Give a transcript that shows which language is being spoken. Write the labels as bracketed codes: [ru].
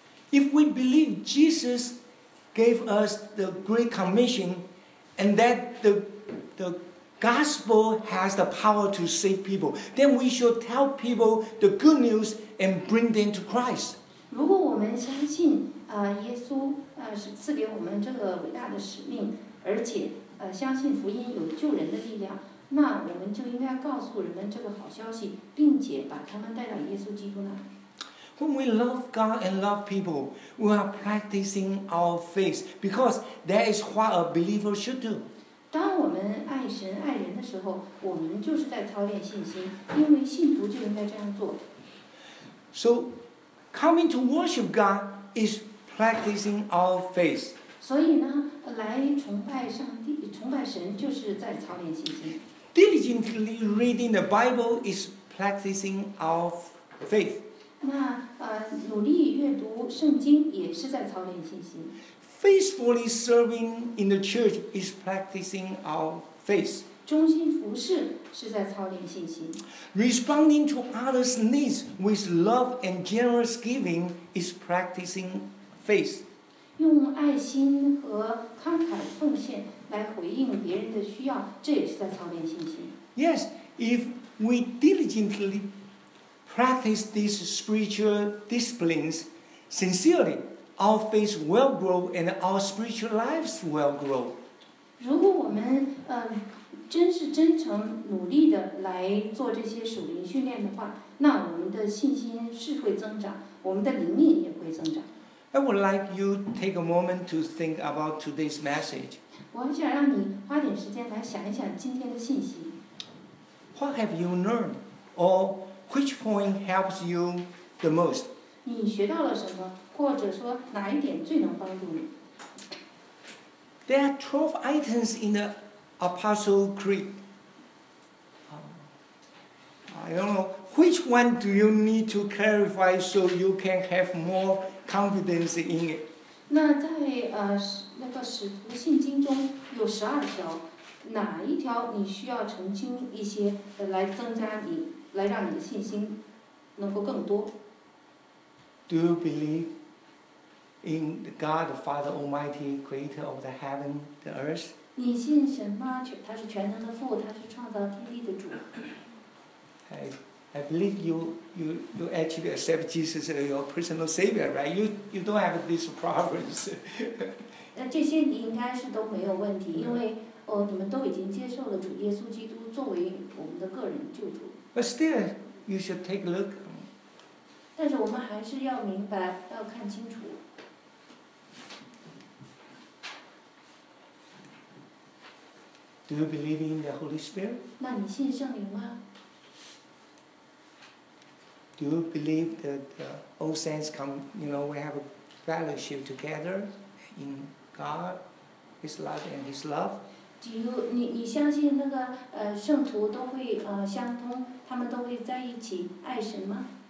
[en] If we believe Jesus gave us the Great Commission and that the gospel has the power to save people, then we should tell people the good news and bring them to Christ. [zh] 如果我们相信耶稣是赐给我们这个伟大的使命，而且相信福音有救人的力量，那我们就应该告诉人们这个好消息，并且把他们带到耶稣基督那。 [en] When we love God and love people, we are practicing our faith because that is what a believer should do. [zh] 当我们爱神爱人的时候，我们就是在操练信心，因为信徒就应该这样做。 [en] So, coming to worship God is practicing our faith. [zh] 所以呢，来崇拜上帝。崇拜神就是在操练信心。 [en] Diligently reading the Bible is practicing our faith. [zh] 那努力阅读圣经也是在操练信心。 [en] Faithfully serving in the church is practicing our faith. [zh] 忠心服事是在操练信心。 [en] Responding to others' needs with love and generous giving is practicing faith. [zh] 用爱心和慷慨奉献来回应别人的需要，这也是在操练信心。 [en] Yes, if we diligently practice these spiritual disciplines sincerely, our faith will grow and our spiritual lives will grow. [zh] 如果我们真是真诚努力的来做这些属灵训练的话，那我们的信心是会增长，我们的灵命也会增长。 [en] I would like you take a moment to think about today's message. [zh] 我很想让你花点时间来想一想今天的信息。 [en] What have you learned? Or which point helps you the most? [zh] 你学到了什么？或者说哪一点最能帮助你？ [en] There are 12 items in the Apostles' Creed. I don't know. Which one do you need to clarify so you can have more confidence in it? [zh] 那在那个使徒信经中有十二条，哪一条你需要澄清一些，来增加你，来让你的信心能够更多？ [en] Do you believe in God, the Father Almighty, Creator of the heaven, the earth? [zh] 你信神吗？他是全能的父，他是创造天地的主。 [en] I believe you actually accept Jesus as your personal savior, right? You don't have these problems. [zh] 那这些你应该是都没有问题，因为你们都已经接受了主耶稣基督作为我们的个人救主。 [en] But still, you should take a look. [zh] 但是我们还是要明白，要看清楚。 [en] Do you believe in the Holy Spirit? [zh] 那你信圣灵吗？ [en] Do you believe that the old saints come, you know, we have a fellowship together in God, His light and His love? Do you, [zh] 你相信那个圣徒都会相通，他们都会在一起爱神吗？